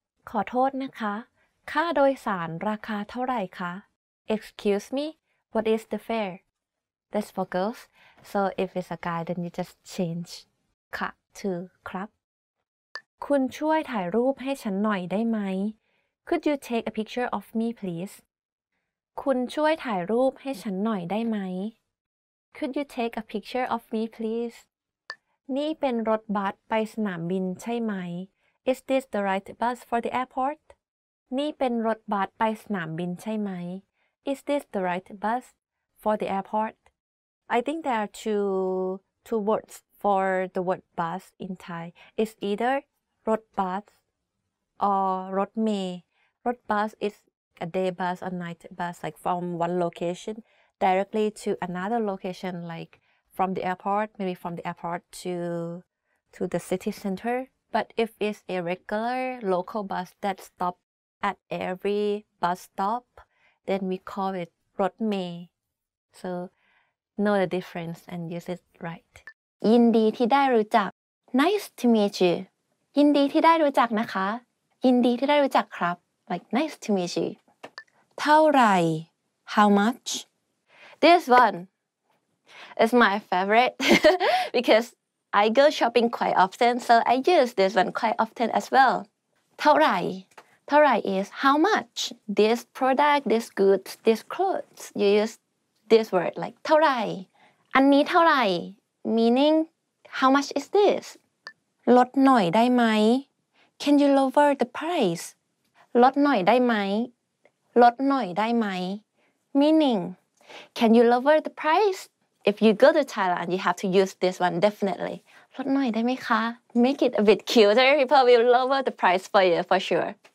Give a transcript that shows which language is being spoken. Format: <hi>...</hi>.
<th>ขอโทษนะคะค่าโดยสารราคาเท่าไหร่คะ</th> <en>Excuse me, what is the fare? That's for girls. So if it's a guy, then you just change ค่ะ to ครับ</en> <th>คุณช่วยถ่ายรูปให้ฉันหน่อยได้ไหม</th> <en>Could you take a picture of me, please?</en> <th>คุณช่วยถ่ายรูปให้ฉันหน่อยได้ไหม</th> <en>Could you take a picture of me, please?</en> <th>นี่เป็นรถบัสไปสนามบินใช่ไหม</th> <en>Is this the right bus for the airport?</en> <th>นี่เป็นรถบัสไปสนามบินใช่ไหม</th> <en>Is this the right bus for the airport? I think there are two words for the word bus in Thai. It's either รถบัส or รถเมย์ รถบัส is a day bus or night bus like from one location directly to another location likefrom the airport, maybe from the airport to the city center. But if it's a regular local bus that stops at every bus stop, then we call it Rotmei. So know the difference and use it right.</en> <th>ยินดีที่ได้รู้จัก</th> <en>Nice to meet you.</en> <th>ยินดีที่ได้รู้จักนะคะยินดีที่ได้รู้จักครับ</th> <en>Like nice to meet you. เท่าไหร่ How much? This one. It's my favorite because I go shopping quite often, so I use this one quite often as well. เท่าไหร่ เท่าไหร่ is how much. This product, this goods, this clothes, you use this word like เท่าไหร่</en> <th>อันนี้เท่าไหร่</th> <en>meaning how much is this?</en> <th>ลดหน่อยได้ไหม</th> <en>Can you lower the price?</en> <th>ลดหน่อยได้ไหม ลดหน่อยได้ไหม meaning</th> <en>can you lower the price? If you go to Thailand, you have to use this one definitely.</en> <th>ลดหน่อยได้ไหมคะ</th> <en>Make it a bit cuter. People will lower the price for you for sure.</en>